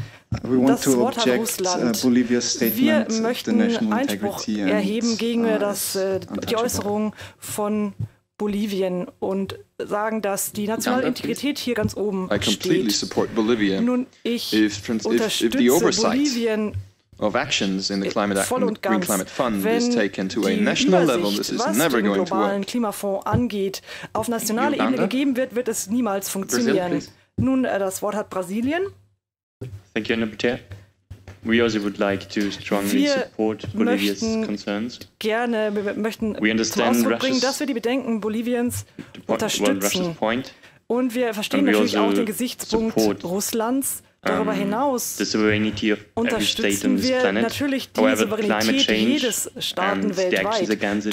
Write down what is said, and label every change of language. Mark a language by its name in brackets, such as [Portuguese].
[German] Das Wort hat Russland. Wir möchten Einspruch erheben gegen die Äußerung von Bolivien und sagen, dass die nationale Integrität hier ganz oben steht. Nun, ich unterstütze Bolivien [English] of actions in the Climate Action and Green Climate Fund is taken to a national level, this is never going to work. [German] Was den globalen Klimafonds angeht, auf nationale Ebene gegeben wird, wird es niemals funktionieren. Nun, das Wort hat Brasilien. [English] Thank you, Nabuter. We also would like to strongly support Bolivia's concerns. [German] Wir möchten zum Ausdruck bringen, dass wir die Bedenken Boliviens unterstützen. Und wir verstehen natürlich auch den Gesichtspunkt Russlands. Darüber hinaus unterstützen wir natürlich die Souveränität jedes Staaten weltweit.